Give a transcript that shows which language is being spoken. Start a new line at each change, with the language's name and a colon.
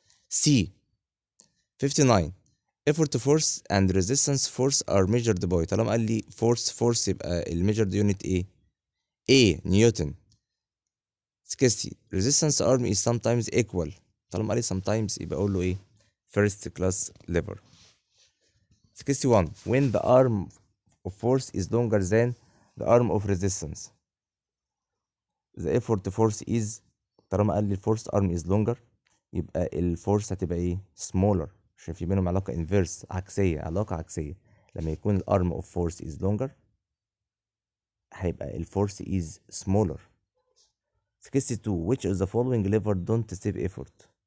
English: C 59 effort to force and resistance force are measured by.
Arabic: طالما قال لي force يبقى الميجرد يونت ايه؟ A نيوتن.
English: 60 resistance arm is sometimes equal.
Arabic: طالما قال لي sometimes يبقى اقول له ايه؟
English: first class lever. 61 when the arm of force is longer than the arm of resistance the effort to force is.
Arabic: طالما قال لي
English: force arm is longer
Arabic: يبقى ال force هتبقى ايه؟ smaller. عشان في بينهم علاقه inverse عكسيه علاقه عكسيه. لما يكون
English: the arm of force is longer هيبقى ال force is smaller. 62 which of the following lever don't save effort.